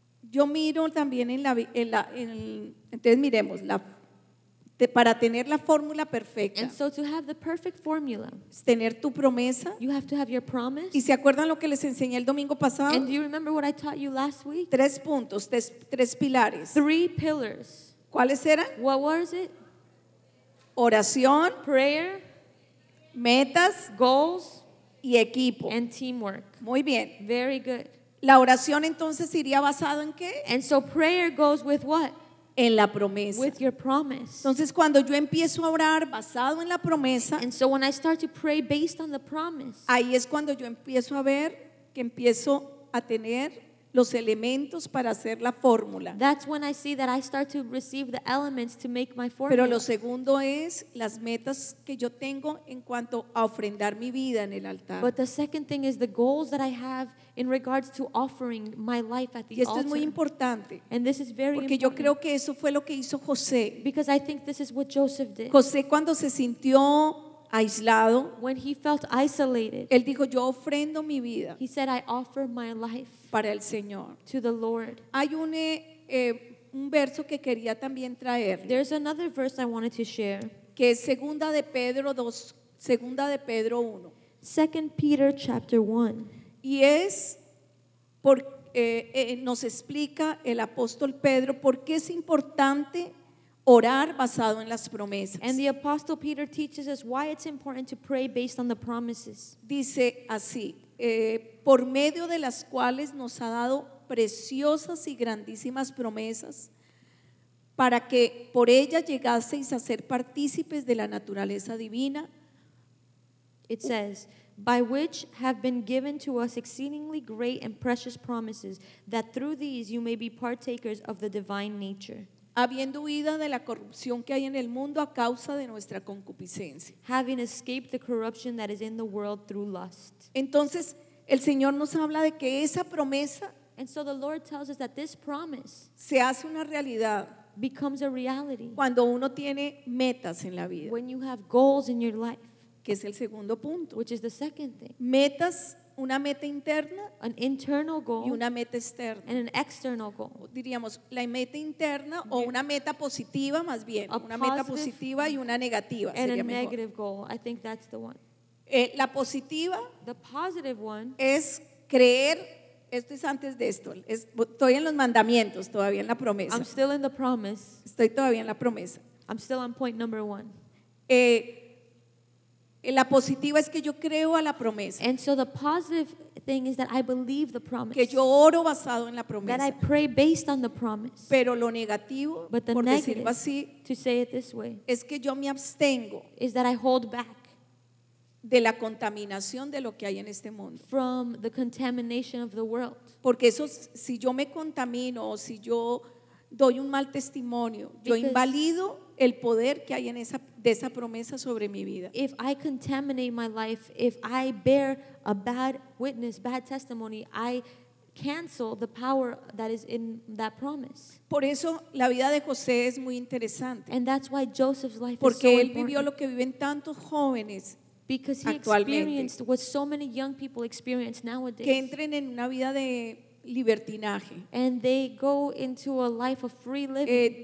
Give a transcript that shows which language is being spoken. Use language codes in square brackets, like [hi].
[es] Yo miro también entonces miremos para tener la fórmula perfecta. [en] And so to have the perfect formula, [es] tener tu promesa. [en] You have to have your promise. [es] ¿Y se acuerdan lo que les enseñé el domingo pasado? [en] And do you remember what I taught you last week? [es] Tres puntos, tres pilares. [en] Three pillars. [es] ¿Cuáles eran? [en] What was it? [es] Oración, [en] prayer, [es] metas, [en] goals [es] y equipo. [en] And teamwork. [es] Muy bien. [en] Very good. [es] ¿La oración entonces iría basado en qué? [en] And so prayer goes with what? [es] En la promesa. [en] With your promise. [es] Entonces cuando yo empiezo a orar basado en la promesa, [en] and so when I start to pray based on the promise, [es] ahí es cuando yo empiezo a ver que empiezo a tener los elementos para hacer la fórmula. [en] That's when I see that I start to receive the elements to make my formula. [es] Pero lo segundo es las metas que yo tengo en cuanto a ofrendar mi vida en el altar. [en] But the second thing is the goals that I have in regards to offering my life at the altar. [es] Y esto es muy importante. [en] And this is very [es] porque [en] important. [es] Yo creo que eso fue lo que hizo José. [en] Because I think this is what Joseph did. [es] José cuando se sintió aislado, [en] when he felt isolated, [es] él dijo, yo ofrendo mi vida. [en] He said, I offer my life [es] para el Señor. [en] To the Lord. [es] Hay un verso que quería también traer. [en] There's another verse I wanted to share. [es] Que es segunda de Pedro 1. [en] 2 Peter chapter 1. [es] Y es porque nos explica el apóstol Pedro por qué es importante orar basado en las promesas. [en] And the apostle Peter teaches us why it's important to pray based on the promises. [es] Dice así, por medio de las cuales nos ha dado preciosas y grandísimas promesas para que por ellas llegaseis a ser partícipes de la naturaleza divina. [en] It says, by which have been given to us exceedingly great and precious promises, that through these you may be partakers of the divine nature. [es] Habiendo huido de la corrupción que hay en el mundo a causa de nuestra concupiscencia. [en] Having escaped the corruption that is in the world through lust. [es] Entonces, el Señor nos habla de que esa promesa, [en] and so the Lord tells us that this promise, [es] se hace una realidad, [en] becomes a reality, [es] cuando uno tiene metas en la vida. [en] When you have goals in your life. [es] que es el segundo punto. [en] Which is the second thing. [es] Metas, una meta interna, [en] an internal goal, [es] y una meta externa, [en] and an external goal. [es] Diríamos la meta interna o una meta positiva más bien, [en] a [es] una meta positiva y una negativa [en] and [es] sería [en] a [es] mejor. [en] Negative goal. I think that's the one. [es] La positiva, [en] the positive one, [es] es creer. Esto es antes de esto. Estoy en los mandamientos, todavía en la promesa. [en] I'm still in the promise. [es] Estoy todavía en la promesa. [en] I'm still on point number one. [es] La positiva es que yo creo a la promesa. [en] And so the positive thing is that I believe the promise. [es] Que yo oro basado en la promesa. [en] That I pray based on the promise. [es] Pero lo negativo, [en] but the [es] por [en] negative, [es] decirlo así, [en] to say it this way, [es] es que yo me abstengo. [en] Is that I hold back. [es] De la contaminación de lo que hay en este mundo. [en] From the contamination of the world. [es] Porque eso, si yo me contamino o si yo doy un mal testimonio, yo invalido el poder que hay en esa, de esa promesa sobre mi vida. [en] If I contaminate my life, if I bear a bad witness, bad testimony, I cancel the power that is in that promise. [es] Por eso la vida de José es muy interesante. [en] And that's why Joseph's life [es] porque [en] is so [es] él vivió [en] important. [es] Lo que viven tantos jóvenes. [en] Because he experienced what so many young people experience nowadays. [es] Que entren en una vida de libertinaje. [en] And they go into a life of free living.